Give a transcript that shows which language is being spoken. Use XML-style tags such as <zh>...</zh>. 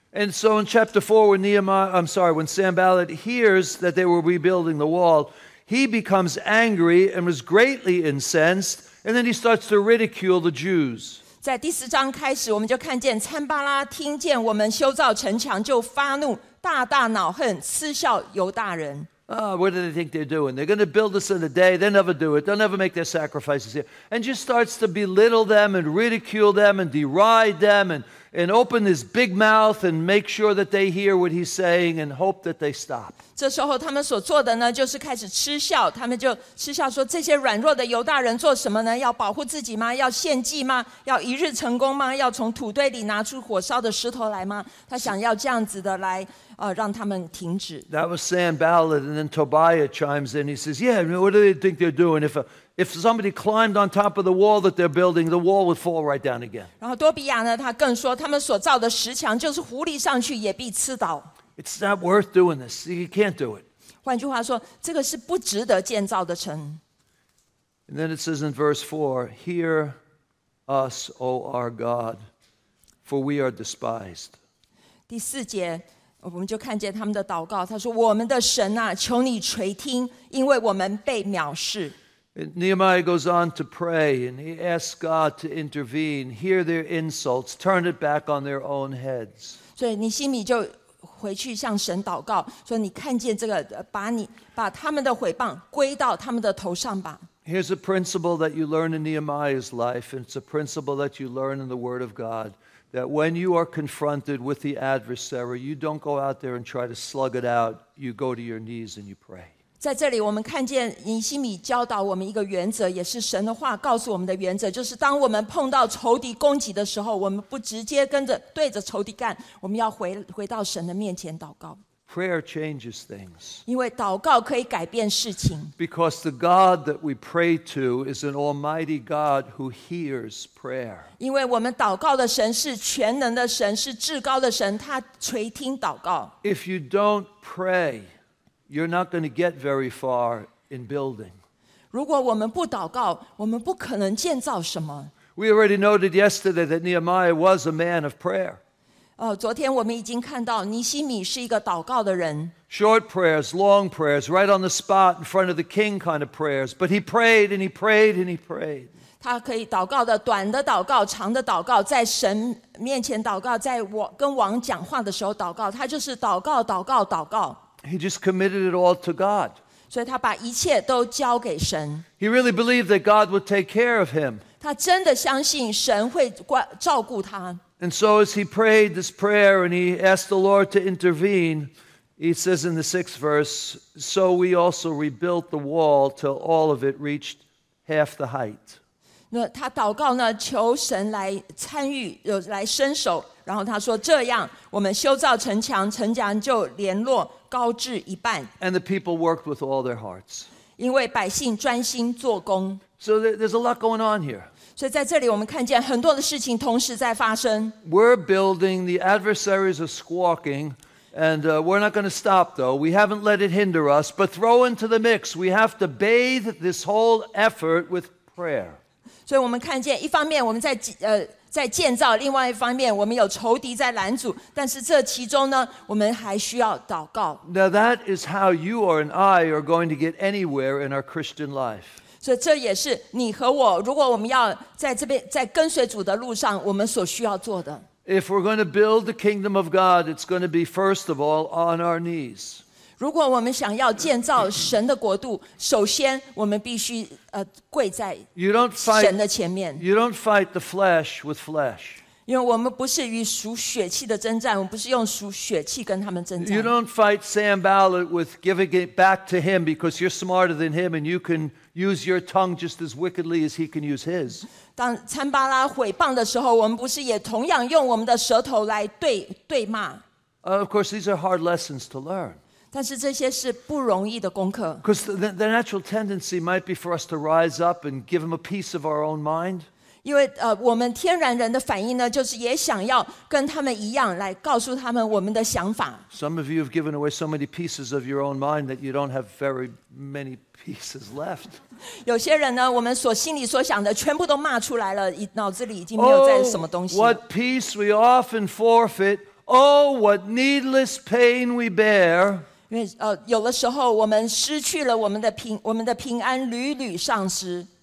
<en>And so in chapter 4, when Sanballat hears that they were rebuilding the wall, he becomes angry and was greatly incensed, and then he starts to ridicule the Jews.</en> <zh>在第四章开始，我们就看见参巴拉听见我们修造城墙，就发怒，大大恼恨，嗤笑犹大人。</zh> <en>What do they think they're doing? They're going to build this in a day. They'll never do it. They'll never make their sacrifices here. And just starts to belittle them and ridicule them and deride them and open his big mouth and make sure that they hear what he's saying and hope that they stop.</en> <zh>这时候他们所做的呢就是开始嗤笑。他们就嗤笑说这些软弱的犹大人做什么呢要保护自己吗要献祭吗要一日成功吗要从土堆里拿出火烧的石头来吗他想要这样子的来让他们停止。</zh> <en>That was Sanballat, and then Tobiah chimes in. He says, yeah, what do they think they're doing? If somebody climbed on top of the wall that they're building, the wall would fall right down again.</en> <zh>然后多比亚呢，他更说，他们所造的石墙就是狐狸上去也必刺倒。</zh> <en>It's not worth doing this. You can't do it.</en> <zh>换句话说，这个是不值得建造的城。</zh> <en>And then it says in verse 4, hear us, O our God, for we are despised.</en> <zh>第四节。我们就看见他们的祷告，他说：“我们的神啊，求你垂听，因为我们被藐视。”</zh> <en>Nehemiah goes on to pray and he asks God to intervene, hear their insults, turn it back on their own heads.</en> <zh>所以尼希米就回去向神祷告，说：“你看见这个，把他们的毁谤归到他们的头上吧。”</zh> <en>Here's a principle that you learn in Nehemiah's life, and it's a principle that you learn in the Word of God. That when you are confronted with the adversary, you don't go out there and try to slug it out. You go to your knees and you pray.</en> <zh>在这里，我们看见尼希米教导我们一个原则，也是神的话告诉我们的原则，就是当我们碰到仇敌攻击的时候，我们不直接跟着对着仇敌干，我们要回到神的面前祷告。</zh> <en>Prayer changes things.</en> <zh>因为祷告可以改变事情。</zh> <en>Because the God that we pray to is an almighty God who hears prayer.</en> <zh>因为我们祷告的神是全能的神，是至高的神，他垂听祷告。</zh> <en>If you don't pray, you're not going to get very far in building.</en> <zh>如果我们不祷告，我们不可能建造什么。</zh> <en>We already noted yesterday that Nehemiah was a man of prayer.</en> <zh>昨天我们已经看到尼希米是一个祷告的人。</zh> <en>Short prayers, long prayers, right on the spot in front of the king kind of prayers. But he prayed and he prayed and he prayed.</en> <zh>他可以祷告的短的祷告、长的祷告，在神面前祷告，在跟王讲话的时候祷告，他就是祷告、祷告、祷告。</zh> <en>He just committed it all to God.</en> <zh>所以他把一切都交给神。</zh> <en>He really believed that God would take care of him.</en> <zh>他真的相信神会照顾他。</zh> <en>And so as he prayed this prayer and he asked the Lord to intervene, he says in the sixth verse, so we also rebuilt the wall till all of it reached half the height.</en> <zh>那他祷告呢，求神来参与，来伸手，然后他说这样，我们修造城墙，城墙就联络高至一半。</zh> <en>And the people worked with all their hearts.</en> <zh>因为百姓专心做工。</zh> <en>So there's a lot going on here.</en> <zh>所以在这里我们看见很多的事情同时在发生。</zh> <en>We're building, the adversaries are squawking, and we're not going to stop though. We haven't let it hinder us, but throw into the mix. We have to bathe this whole effort with prayer.</en> <zh>所以我们看见一方面我们在建造，另外一方面我们有仇敌在拦阻，但是这其中呢，我们还需要祷告。</zh> <en>Now that is how you or I are going to get anywhere in our Christian life.</en> <zh>所以这也是你和我，如果我们要在这边在跟随主的路上，我们所需要做的。</zh> <en>If we're going to build the kingdom of God, it's going to be first of all on our knees.</en> <zh>如果我们想要建造神的国度，首先我们必须跪在神的前面。</zh> <en>You don't fight the flesh with flesh.</en> <zh>因为我们不是与属血气的征战，我们不是用属血气跟他们征战。</zh> <en>You don't fight Sanballat with giving it back to him because you're smarter than him and you can. Use your tongue just as wickedly as he can use his.</en> <zh>当参巴拉毁谤的时候，我们不是也同样用我们的舌头来对骂？</zh> <en>Of course, these are hard lessons to learn.</en> <zh>但是这些是不容易的功课。</zh> <en>Because the natural tendency might be for us to rise up and give him a piece of our own mind.</en> <zh>因为我们天然人的反应呢，就是也想要跟他们一样来告诉他们我们的想法。</zh> <en>Some of you have given away so many pieces of your own mind that you don't have very many. Pieces left.</en> <zh>有些人呢，我们所心里所想的全部都骂出来了，脑子里已经没有在什么东西。</zh> <en>Oh, what peace we often forfeit! Oh, what needless pain we bear!</en> <zh>因为有的时候我们失去了我们的平安屡屡丧失。</zh>